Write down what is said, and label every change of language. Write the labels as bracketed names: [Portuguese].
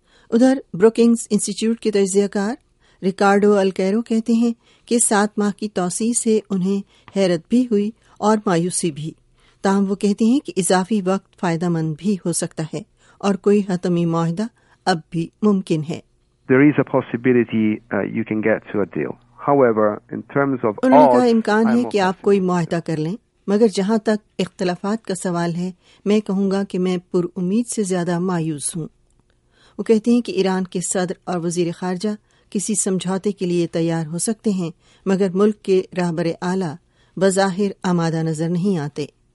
[Urdu] ادھر بروکنگز انسٹیٹیوٹ کے تجزیہ کار ریکارڈو الکیرو کہتے ہیں کہ 7 ماہ کی توسیع سے انہیں حیرت بھی ہوئی اور مایوسی بھی. تاہم وہ کہتے ہیں کہ اضافی وقت فائدہ مند بھی ہو سکتا ہے اور کوئی حتمی معاہدہ اب بھی ممکن ہے. [English] There is a possibility you can get to a deal. However, in terms of [Urdu] انہوں نے کہا امکان ہے کہ آپ کوئی معاہدہ کر لیں، مگر جہاں تک اختلافات کا سوال ہے میں کہوں گا کہ میں پر امید سے زیادہ مایوس ہوں. وہ کہتے ہیں کہ ایران کے صدر اور وزیر خارجہ کسی سمجھوتے کے لیے تیار ہو سکتے ہیں، مگر ملک کے رہبر اعلی بظاہر آمادہ نظر نہیں آتے.